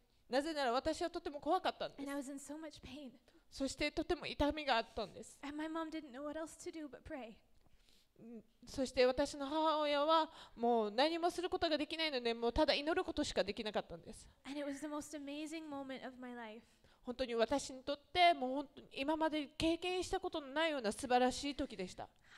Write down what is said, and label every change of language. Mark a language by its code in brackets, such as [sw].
[ja] なぜなら私はとても怖かったんです。そしてとても痛みがあったんです。そして私の母親はもう何もすることができないのでもうただ祈ることしかできなかったんです。 [en] And it was the most amazing moment of my life. [ja] 本当に私にとってもう本当に今まで経験したことのないような素晴らしい時でした。